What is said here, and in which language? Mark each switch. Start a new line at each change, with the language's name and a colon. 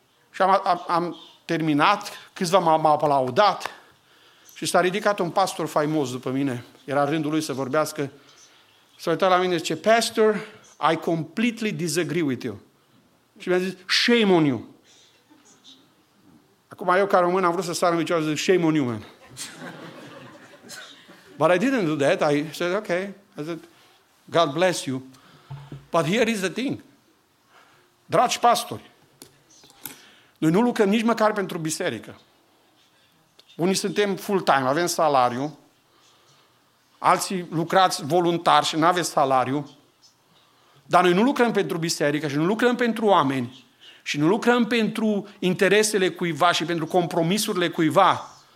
Romanian: Și am terminat, câțiva m-au aplaudat și s-a ridicat un pastor faimos după mine. Era rândul lui să vorbească. S-a uitat la mine și zice, pastor,
English: I completely disagree with you.
Romanian: Și mi-a zis,
English: shame on you.
Romanian: Acum eu ca român am vrut să sar în picioare, zic,
English: shame on you, man. But I didn't do that. I said, okay. I said, God bless you. But here is the thing.
Romanian: Dragi pastori, noi nu lucrăm nici măcar pentru biserică. Unii suntem full-time, avem salariu. Alții lucrați voluntar și nu aveți salariu. Dar noi nu lucrăm pentru biserică și nu lucrăm pentru oameni. Și nu lucrăm pentru interesele cuiva și pentru compromisurile cuiva.